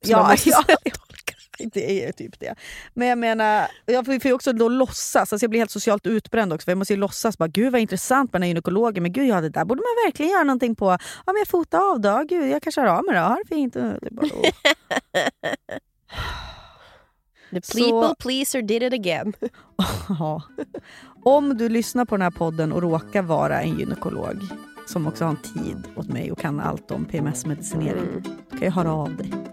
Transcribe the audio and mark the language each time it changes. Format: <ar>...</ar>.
<sv>Ja, det är typ det. Men jag menar, jag får ju också då låtsas. Alltså jag blir helt socialt utbränd också. Jag måste ju låtsas. Bara, gud vad intressant med den här gynekologen. Men gud, ja, det där borde man verkligen göra någonting på. Ja, men jag fotar av då. Gud, jag kanske har av mig då. Ja, det är fint. Det är bara,</sv> <en>the people pleaser did it again.</en> <sv>Ja. Om du lyssnar på den här podden och råkar vara en gynekolog som också har en tid åt mig och kan allt om PMS-medicinering, då kan jag höra av dig.</sv>